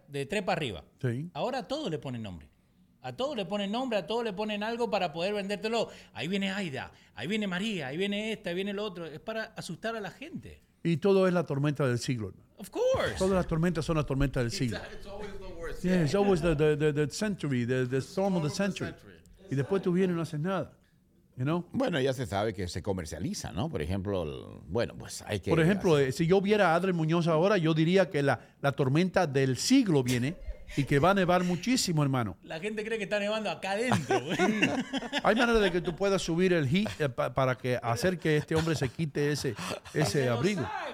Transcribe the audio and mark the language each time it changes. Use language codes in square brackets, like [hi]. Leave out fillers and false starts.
[es] De 3 para arriba. Sí. Ahora a todos le ponen nombre. A todos le ponen nombre, a todos le ponen algo para poder vendértelo. Ahí viene Aida, ahí viene María, ahí viene esta, ahí viene el otro. Es para asustar a la gente. Y todo es la tormenta del siglo. [en] Of course. [es] Todas las tormentas son la tormenta del siglo. [en] Yeah, it's always the century, the storm of the century. [es] Y después tú vienes y no haces nada, [en] you know? [es] Bueno, ya se sabe que se comercializa, ¿no? Por ejemplo, Por ejemplo, si yo viera a Adrián Muñoz ahora, yo diría que la tormenta del siglo viene y que va a nevar muchísimo, hermano. La gente cree que está nevando acá adentro. Hay manera de que tú puedas subir el heat para que hacer que este hombre se quite ese abrigo.